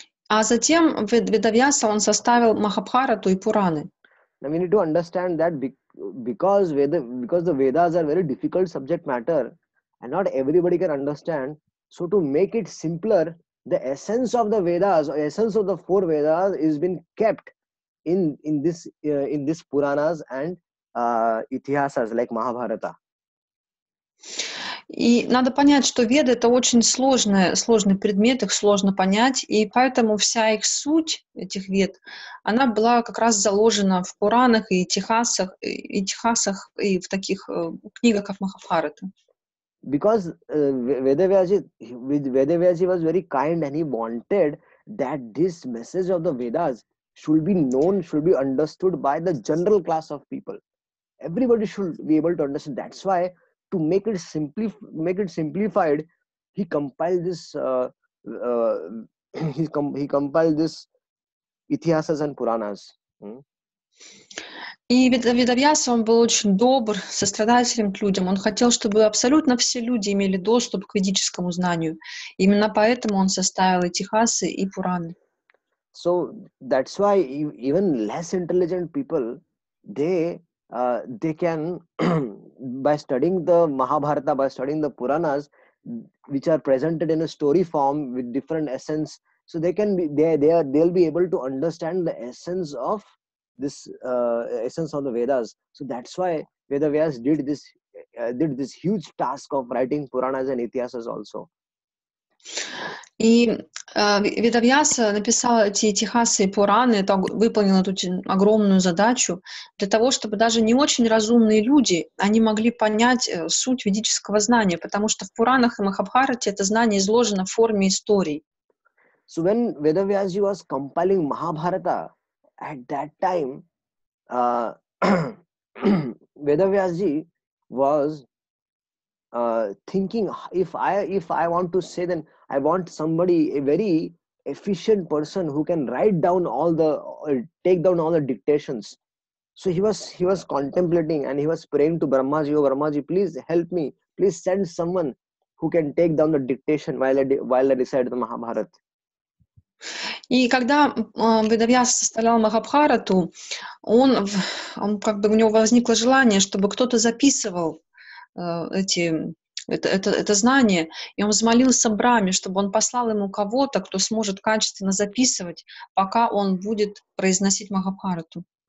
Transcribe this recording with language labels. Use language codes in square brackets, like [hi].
[ru] А затем Ведавьяса он составил Махабхарату и Пураны. [en] Now we need to understand that because the Vedas are very difficult subject matter and not everybody can understand. So to make it simpler, the essence of the Vedas, or essence of the four Vedas, is been kept in this Puranas and Itihasas like Mahabharata. [ru] И надо понять, что Веды — это очень сложный предмет, их сложно понять, и поэтому вся их суть, этих Вед, она была как раз заложена в Пуранах и Итихасах, и в таких книгах, как Махабхарата. [en] Because Vedavyasi was very kind and he wanted that this message of the Vedas should be known, should be understood by the general class of people. Everybody should be able to understand. That's why to make it simplified, he compiled this Itihasas and Puranas. [ru] И Ведавьяса, он был очень добр, сострадателен к людям. Он хотел, чтобы абсолютно все люди имели доступ к ведическому знанию. Именно поэтому он составил Итихасы и Пураны. [en] So that's why even less intelligent people, they can by studying the Mahabharata, by studying the Puranas, which are presented in a story form with different essence, so they'll be able to understand the essence of essence of the Vedas. So that's why Vedavyas did this huge task of writing Puranas and Itihasas also. [ru] И Ведавьяса написал эти Итихасы и Пураны, выполнил эту огромную задачу для того, чтобы даже не очень разумные люди, они могли понять суть ведического знания, потому что в Пуранах и Махабхарате это знание изложено в форме историй. [en] So when Vedavyasi was compiling Mahabharata, at that time, Vedavyasi was thinking, if I want to say, then I want somebody, a very efficient person who can write down all the, take down all the dictations. So he was contemplating and he was praying to Brahmaji, oh Brahmaji, please help me. Please send someone who can take down the dictation while I recite the Mahabharata. [ru] И когда Ведавьяса составлял Махабхарату, он как бы, у него возникло желание, чтобы кто-то записывал это знание, и он взмолился Браме, чтобы он послал ему кого-то, кто сможет качественно записывать, пока он будет произносить Махабхарату.